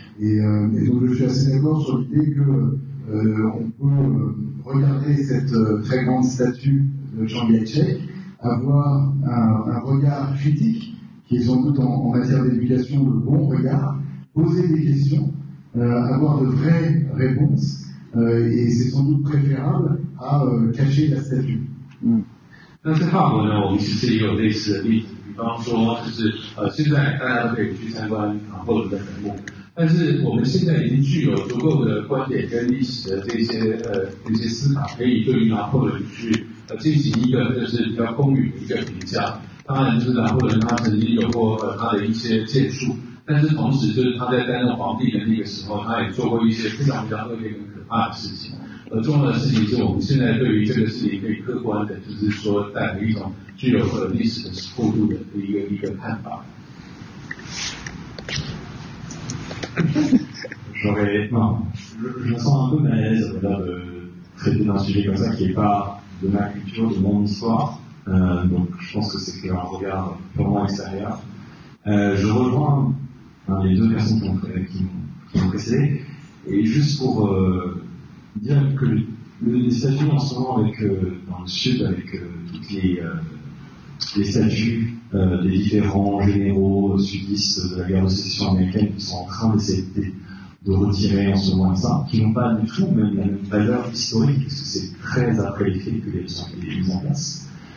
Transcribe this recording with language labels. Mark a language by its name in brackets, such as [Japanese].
[French] Et donc je suis assez d'accord sur l'idée que on peut regarder cette très grande statue de Chiang Kai-shek, avoir un regard critique qui est sans doute en matière d'éducation le bon regard, poser des questions, avoir de vraies réponses, et c'est sans doute préférable à cacher la statue. [Chinese] 那在法国呢，我们其实也有类似的例子，比方说就是现在大家都可以去参观唐伯虎的坟墓，但是我们现在已经具有足够的观点跟历史的这些思考，可以对于拿破仑去进行一个就是比较公允的一个评价。当然，就是拿破仑他曾经有过他的一些建树，但是同时就是他在担任皇帝的那个时候，他也做过一些非常非常恶劣跟可怕的事情。而重要的事情是我们现在对于这个事情可以客观的，就是说带来一种具有历史的过渡的一个看法。 [French] Je me sens un peu mal à l'aise à l'heure de traiter d'un sujet comme ça qui n'est pas de ma culture, de mon histoire. Donc je pense que c'est un regard purement extérieur. Je rejoins les deux personnes qui m'ont précédé, et juste pour dire que les statues en ce moment dans le sud, avec toutes les statues des différents généraux sudistes de la guerre de sécession américaine qui sont en train d'essayer de retirer en ce moment ça, qui n'ont pas du tout même la même valeur historique, parce que c'est très après les faits que les sont mises en place.